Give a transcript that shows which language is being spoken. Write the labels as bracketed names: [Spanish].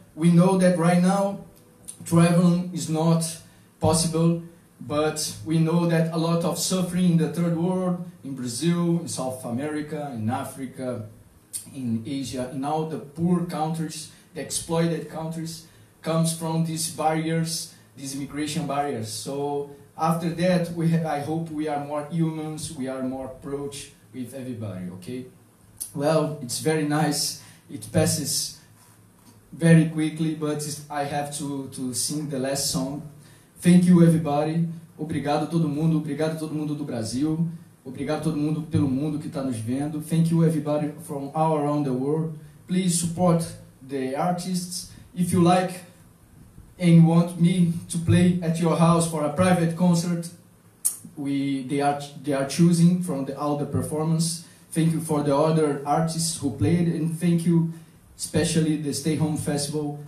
[English] We know that right now traveling is not possible, but we know that a lot of suffering in the third world, in Brazil, in South America, in Africa, in Asia, in all the poor countries, the exploited countries, comes from these barriers, these immigration barriers. So after that, I hope we are more humans, we are more approach with everybody, okay? Well, it's very nice, it passes very quickly, but I have to sing the last song. Thank you, everybody. [Portuguese] Obrigado todo mundo do Brasil. Obrigado todo mundo pelo mundo que está nos vendo. [English] Thank you, everybody from all around the world. Please support the artists. If you like, and want me to play at your house for a private concert, they are choosing from all the performance. Thank you for the other artists who played, and thank you especially the Stay Home Festival.